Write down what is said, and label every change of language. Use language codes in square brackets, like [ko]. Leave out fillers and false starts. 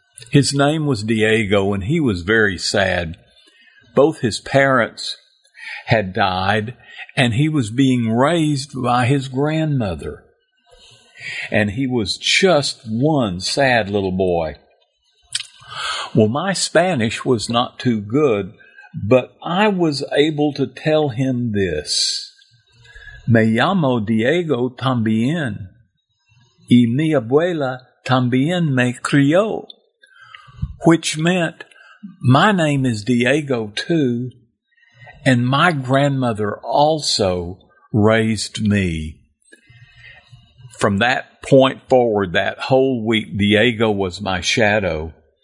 [en] His name was Diego, and he was very sad. Both his parents had died, and he was being raised by his grandmother. And he was just one sad little boy. Well, my Spanish was not too good, but I was able to tell him this. [es] Me llamo Diego también, y mi abuela también me crió. [en] Which meant, my name is Diego too, and my grandmother also raised me. From that point forward, that whole week, Diego was my shadow.